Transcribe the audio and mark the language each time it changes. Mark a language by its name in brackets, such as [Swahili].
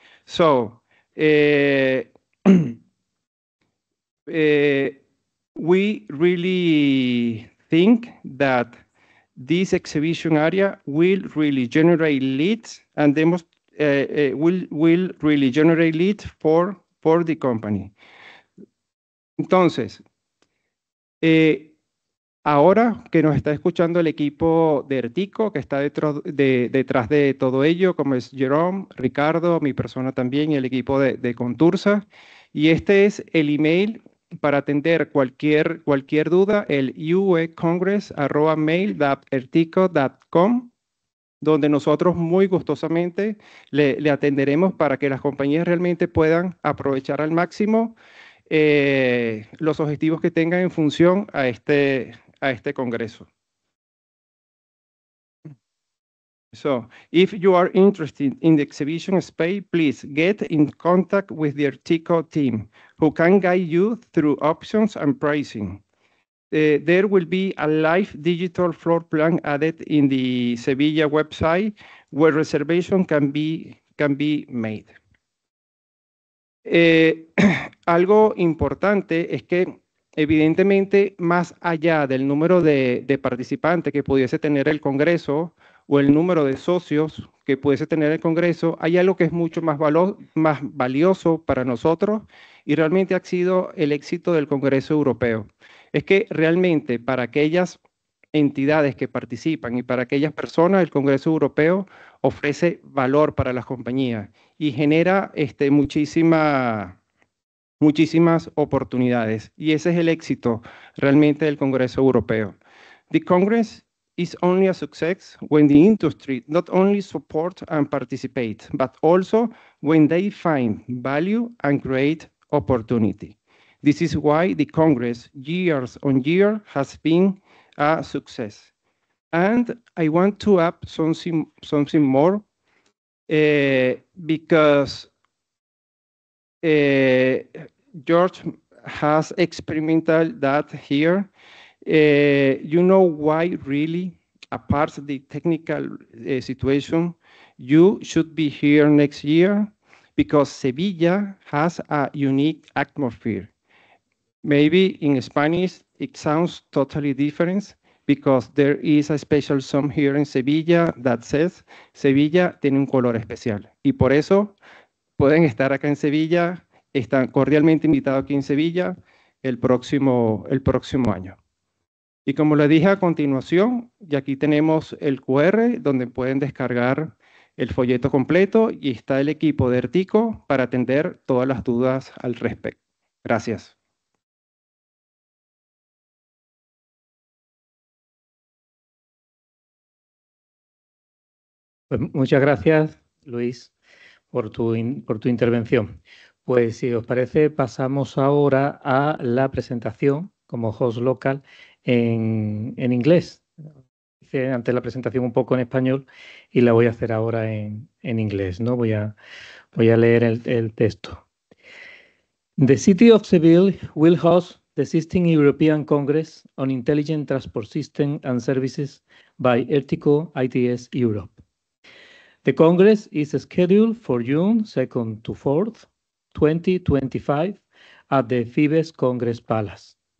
[English] So, we really think that this exhibition area will really generate leads and demonstrate will really generate leads for the company. [Spanish] Entonces, ahora que nos está escuchando el equipo de Ertico, que está detrás de todo ello, como es Jerome, Ricardo, mi persona también, y el equipo de Contursa, y este es el email para atender cualquier duda, el uecongress@mail.ertico.com, donde nosotros muy gustosamente le atenderemos para que las compañías realmente puedan aprovechar al máximo los objetivos que tengan en función a este congreso. [English] So, if you are interested in the exhibition space, please get in contact with the Ertico team, who can guide you through options and pricing. There will be a live digital floor plan added in the Sevilla website where reservation can be made. [Spanish] Algo importante es que, evidentemente, más allá del número de participantes que pudiese tener el Congreso o el número de socios que pudiese tener el Congreso, hay algo que es mucho más valioso para nosotros y realmente ha sido el éxito del Congreso Europeo. Es que realmente para aquellas entidades que participan y para aquellas personas, el Congreso Europeo ofrece valor para las compañías y genera muchísimas oportunidades. Y ese es el éxito realmente del Congreso Europeo. [English] The Congress is only a success when the industry not only supports and participates, but also when they find value and create opportunity. This is why the Congress, years on year, has been a success. And I want to add something more, because George has experimented that here. You know why, really, apart from the technical situation, you should be here next year? Because Sevilla has a unique atmosphere. Maybe in Spanish, it sounds totally different because there is a special song here in Sevilla that says [Spanish] Sevilla tiene un color especial. Y por eso pueden estar acá en Sevilla, están cordialmente invitados aquí en Sevilla el próximo año. Y como les dije a continuación, y aquí tenemos el QR donde pueden descargar el folleto completo y está el equipo de Ertico para atender todas las dudas al respecto. Gracias. Muchas gracias, Luis, por tu intervención. Pues si os parece, pasamos ahora a la presentación como host local en inglés. [English] If [Spanish] hice antes la presentación un poco en español y la voy a hacer ahora en inglés, ¿no? Voy a leer el texto. [English] The city of Seville will host the 16th European Congress on Intelligent Transport Systems and Services by ERTICO ITS Europe. The Congress is scheduled for June 2nd to 4th, 2025 at the Fibes Congress Palace.